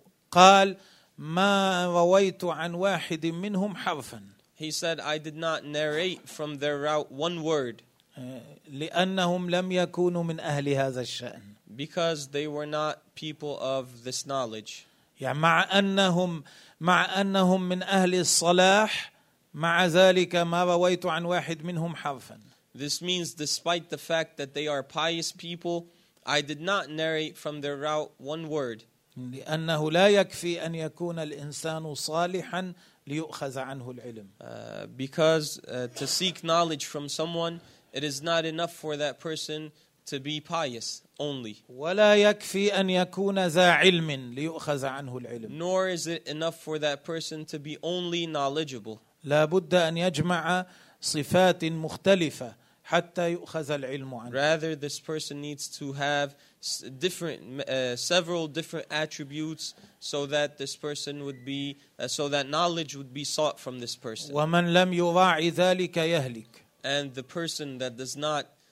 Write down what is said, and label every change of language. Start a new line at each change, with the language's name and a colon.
Arabic: قال ما رويت عن واحد منهم حرفا.
English: He said, I did not narrate from their route one word.
Arabic: لأنهم لم يكونوا من أهل هذا الشأن.
English: Because they were not people of this knowledge.
Arabic: يعني مع أنهم من أهل الصلاح مع ذلك ما رويت عن واحد منهم حرفا.
English: This means despite the fact that they are pious people, I did not narrate from their route one word.
Arabic: لأنه لا يكفي أن يكون الإنسان صالحا ليؤخذ عنه العلم.
English: Because to seek knowledge from someone, it is not enough for that person to be pious only.
Arabic: ولا يكفي أن يكون ذا علم ليؤخذ عنه العلم.
English: Nor is it enough for that person to be only knowledgeable.
Arabic: لا بد أن يجمع صفات مختلفة حتى يؤخذ العلم عنه.
English: Rather, this person needs to have several different attributes so that this person would be so that knowledge would be sought from this person.
Arabic: ومن لم يراعي ذلك يهلك.
English: And the person that does not